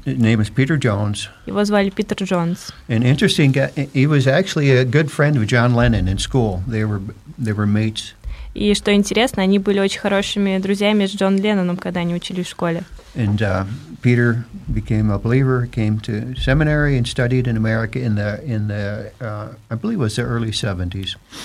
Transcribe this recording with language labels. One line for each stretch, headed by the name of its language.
English: Name is Peter Jones.
Russian: Его звали Питер Джонс.
English: And interesting guy, he was actually a good friend of John Lennon in school. They were mates.
Russian: И что интересно, они были очень хорошими друзьями с Джоном Ленноном, когда они учились в школе.
English: And Peter became a believer, came to seminary and studied in America I believe it was the early 70s.